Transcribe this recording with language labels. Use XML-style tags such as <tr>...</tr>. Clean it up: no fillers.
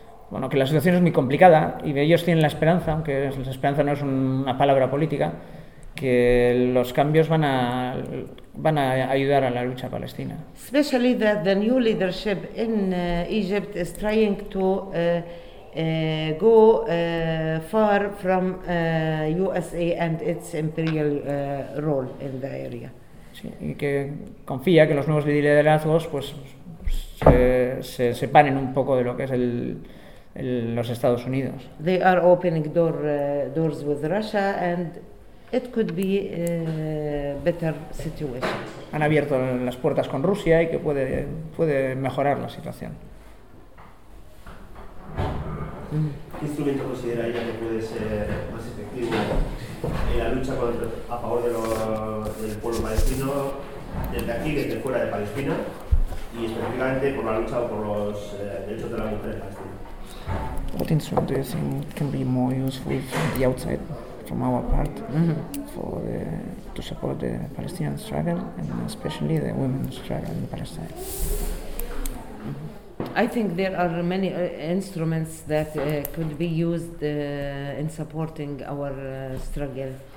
<es>Bueno, que la situación es muy complicada y ellos tienen la esperanza, aunque la esperanza no es una palabra política, que los cambios van a ayudar a la lucha palestina.</es> <en>Especially that the new leadership in Egypt is trying to go far from USA and its imperial role in the area.</en> <es>Sí, y que confía que los nuevos liderazgos pues se separen un poco de lo que es los Estados Unidos.</es> <en>They are opening doors with Russia and it could be a better situation.</en> <es>Han abierto las puertas con Rusia y que puede mejorar la situación. ¿Qué instrumento considera ella que puede ser más efectivo en la lucha a favor del pueblo palestino desde aquí, desde fuera de Palestina y específicamente por la lucha por los derechos de las mujeres palestinas?</es> <en>What instrument do you think can be more useful from the outside? From our part, to support the Palestinian struggle and especially the women's struggle in Palestine. I think there are many instruments that could be used in supporting our struggle.</en>